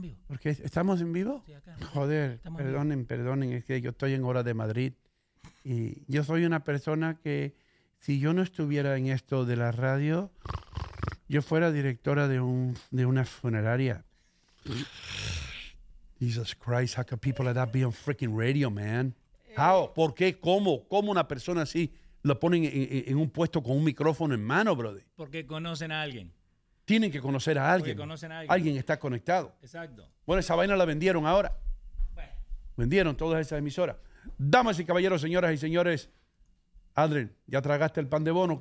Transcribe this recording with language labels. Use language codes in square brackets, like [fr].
[es] ¿Por qué? ¿Estamos en vivo? Sí, acá. Joder, perdonen, es que yo estoy en hora de Madrid. Y yo soy una persona que... Si yo no estuviera en esto de la radio, yo fuera directora de una funeraria. [en] Jesus Christ, how can people like that be on freaking radio, man? How? [es] ¿Por qué? ¿Cómo? ¿Cómo una persona así lo ponen en un puesto con un micrófono en mano, brother? Porque conocen a alguien. Tienen que conocer a alguien. Porque conocen a alguien. Alguien está conectado. Exacto. Bueno, esa vaina la vendieron ahora. Bueno. Vendieron todas esas emisoras. Damas y caballeros, señoras y señores, Adrien, ¿ya tragaste el pan de bono?